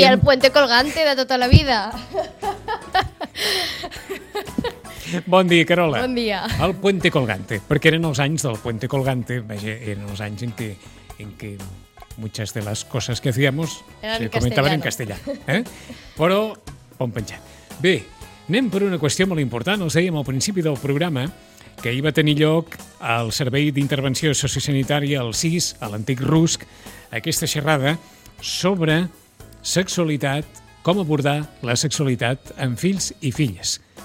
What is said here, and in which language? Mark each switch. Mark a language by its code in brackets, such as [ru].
[ca] I el puente colgante de tota la vida. Bon dia, Carola. Bon dia. El puente colgante, perquè eren els anys del puente colgante, vaja, eren els anys en què... [es] muchas de las cosas que hacíamos se comentaban en castellà. [ca] Però, pont penjant. Bé, anem per una qüestió molt important. Els dèiem al principi del programa que hi va tenir lloc al Servei d'Intervenció Sociosanitària, el SIS, a l'antic RUSC, aquesta xerrada sobre sexualitat, com abordar la sexualitat en fills i filles.